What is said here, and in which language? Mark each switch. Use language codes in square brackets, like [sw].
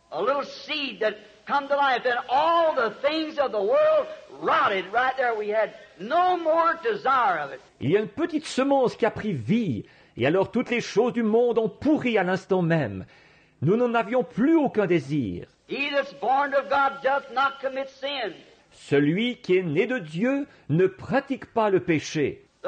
[en] A little seed that come to life, and all the things of the world rotted right there. We had no more desire of it. [fr] Il y a une petite semence qui a pris vie, et alors toutes les choses du monde ont pourri à l'instant même. Nous n'en avions plus aucun désir. [en] He that's born of God doth not commit sin. [fr] Celui qui est né de Dieu ne pratique pas le péché.